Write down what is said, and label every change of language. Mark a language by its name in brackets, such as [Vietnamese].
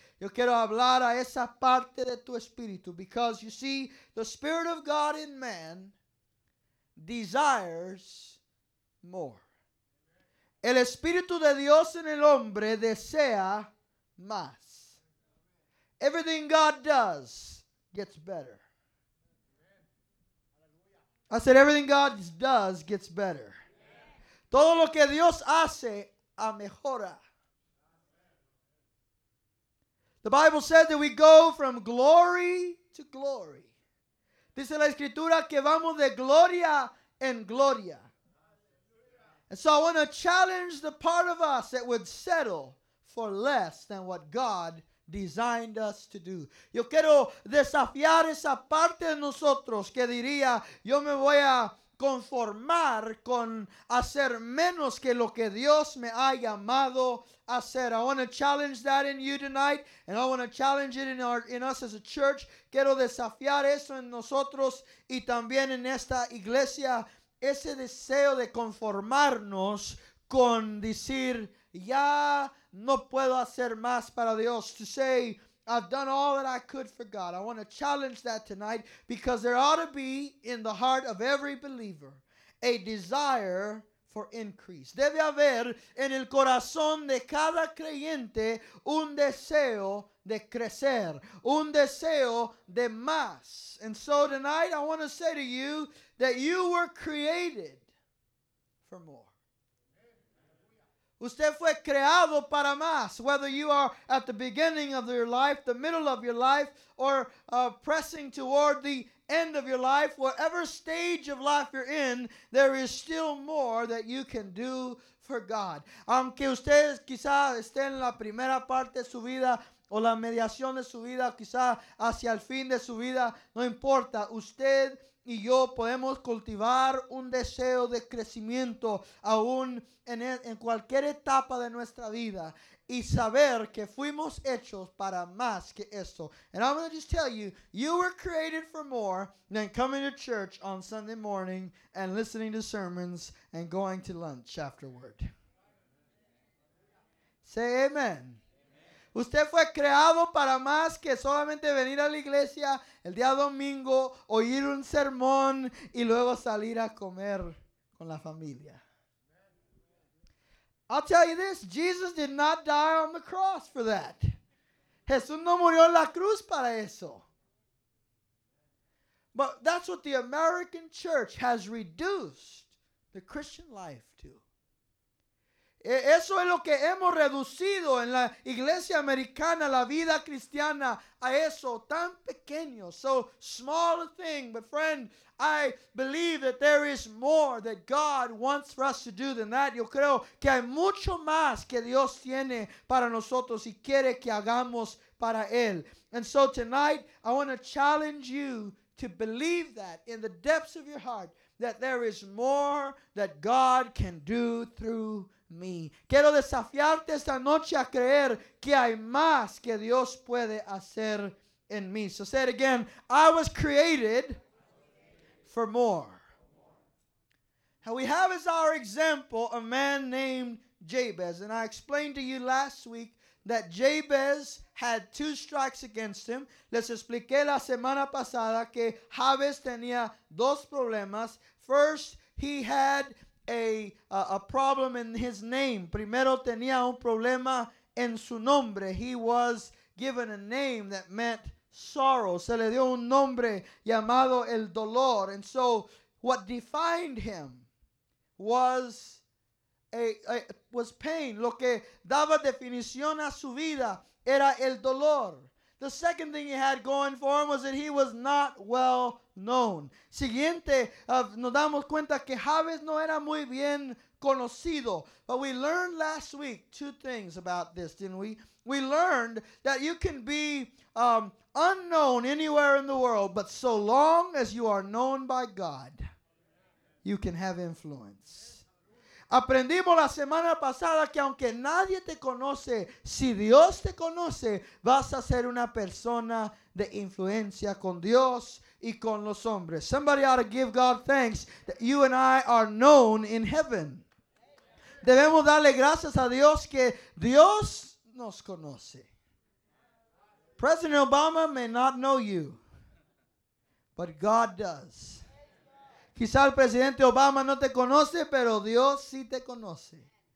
[Spanish] Yo quiero hablar a esa parte de tu espíritu. [English] Because, you see, the Spirit of God in man desires more. [Spanish] El Espíritu de Dios en el hombre desea más. [English] Everything God does gets better. I said everything God does gets better. [Spanish] Todo lo que Dios hace a mejora. [English] The Bible said that we go from glory to glory. [Spanish] Dice la Escritura que vamos de gloria en gloria. [English] And so I want to challenge the part of us that would settle for less than what God designed us to do. [Spanish] Yo quiero desafiar esa parte de nosotros que diría, yo me voy a conformar con hacer menos que lo que Dios me ha llamado a hacer. [English] I want to challenge that in you tonight, and I want to challenge it in us as a church. [Spanish] Quiero desafiar eso en nosotros y también en esta iglesia, ese deseo de conformarnos con decir, ya no puedo hacer más para Dios. [English] To say, I've done all that I could for God. I want to challenge that tonight, because there ought to be in the heart of every believer a desire for increase. [Spanish] Debe haber en el corazón de cada creyente un deseo de crecer, un deseo de más. [English] And so tonight I want to say to you that you were created for more. [Spanish] Usted fue creado para más, [English] whether you are at the beginning of your life, the middle of your life, or pressing toward the end of your life, whatever stage of life you're in, there is still more that you can do for God. [Spanish] Aunque usted quizá esté en la primera parte de su vida, o la mediación de su vida, quizá hacia el fin de su vida, no importa, usted y yo podemos cultivar un deseo de crecimiento aún en cualquier etapa de nuestra vida y saber que fuimos hechos para más que esto. [English] And I'm going to just tell you, you were created for more than coming to church on Sunday morning and listening to sermons and going to lunch afterward. Say amen. [Spanish] Usted fue creado para más que solamente venir a la iglesia el día domingo, oír un sermón y luego salir a comer con la familia. [English] I'll tell you this, Jesus did not die on the cross for that. [Spanish] Jesús no murió en la cruz para eso. [English] But that's what the American church has reduced the Christian life. [Spanish] Eso es lo que hemos reducido en la iglesia americana, la vida cristiana, a eso tan pequeño, [English] so small a thing. But friend, I believe that there is more that God wants for us to do than that. [Spanish] Yo creo que hay mucho más que Dios tiene para nosotros y quiere que hagamos para Él. [English] And so tonight, I want to challenge you to believe that in the depths of your heart, that there is more that God can do through me. [Spanish] Quiero desafiarte esta noche a creer que hay más que Dios puede hacer en mí. [English] So say it again. I was created for more. Now we have as our example a man named Jabez. And I explained to you last week that Jabez had two strikes against him. [Spanish] Les expliqué la semana pasada que Jabez tenía dos problemas. [English] First, he had a problem in his name. [Spanish] Primero tenía un problema en su nombre. [English] He was given a name that meant sorrow. [Spanish] Se le dio un nombre llamado el dolor. [English] And so what defined him was was pain. [Spanish] Lo que daba definición a su vida era el dolor. [English] The second thing he had going for him was that he was not well known. [Spanish] Siguiente, nos damos cuenta que Jabez no era muy bien conocido. [English] But we learned last week two things about this, didn't we? We learned that you can be unknown anywhere in the world, but so long as you are known by God, you can have influence. [Spanish] Aprendimos la semana pasada que aunque nadie te conoce, si Dios te conoce, vas a ser una persona de influencia con Dios y con los hombres. [English] Somebody ought to give God thanks that you and I are known in heaven. [Spanish] Debemos darle gracias a Dios que Dios nos conoce. [English] President Obama may not know you, but God does. [Spanish] Quizá el presidente Obama no te conoce, pero Dios sí te conoce.